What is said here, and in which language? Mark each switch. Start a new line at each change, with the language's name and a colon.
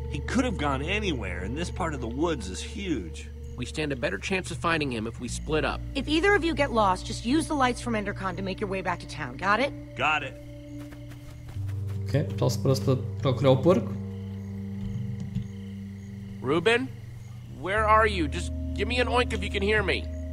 English: He could have gone anywhere, and this part of the woods is huge. We stand a better chance of finding him if we split up. If either of you get lost, just use the lights from Endercon to make your way back to town. Got it? Got it.
Portuguese: Okay, então se parece para procurar o porco.
English: Ruben? Where are you? Just give me an oink if you can hear me.